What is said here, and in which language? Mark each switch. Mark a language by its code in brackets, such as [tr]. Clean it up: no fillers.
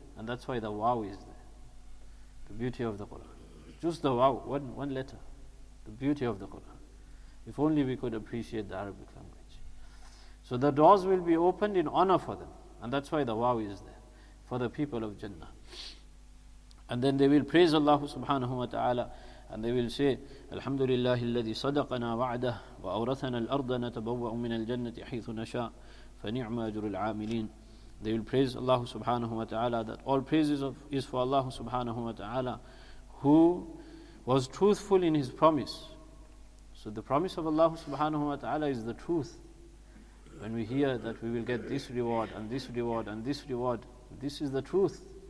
[en] And that's why the wow is there. The beauty of the Quran. Just the wow, one letter. The beauty of the Quran. If only we could appreciate the Arabic language. So the doors will be opened in honor for them. And that's why the wow is there. For the people of Jannah. And then they will praise Allah subhanahu wa ta'ala. And they will say, Alhamdulillah, [ar] الذي صدقنا وعده وأورثنا الأرض نتبوأ من الجنة حيث نشاء. فنعم أجر العاملين. [en] They will praise Allah subhanahu wa ta'ala, that all praises is for Allah subhanahu wa ta'ala, who was truthful in his promise. So the promise of Allah subhanahu wa ta'ala is the truth. When we hear that we will get this reward and this reward and this reward, this is the truth.